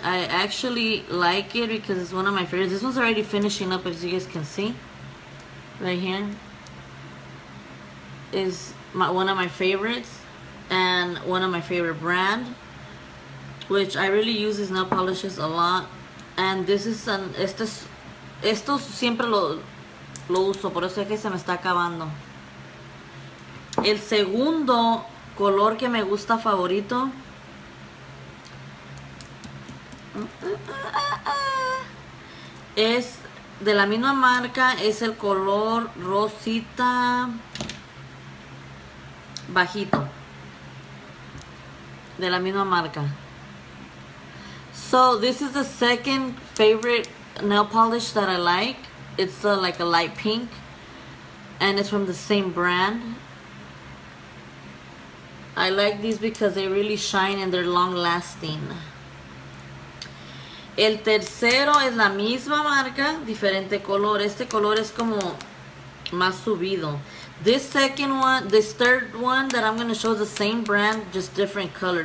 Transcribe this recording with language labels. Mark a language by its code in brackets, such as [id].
[en] I actually like it because it's one of my favorites. This one's already finishing up, as you guys can see. Right here. Is one of my favorites. And one of my favorite brand. Which I really use these nail polishes a lot. And this is an... [es] Esto siempre lo uso. Por eso es que se me está acabando. El segundo color que me gusta favorito... es de la misma marca, es el color rosita bajito, de la misma marca. [en] So this is the second favorite nail polish that I like. It's like a light pink, and it's from the same brand. I like these because they really shine and they're long lasting. [es] El tercero es la misma marca, diferente color. Este color es como más subido. [en] This second one, this third one that I'm going to show is the same brand, just different color.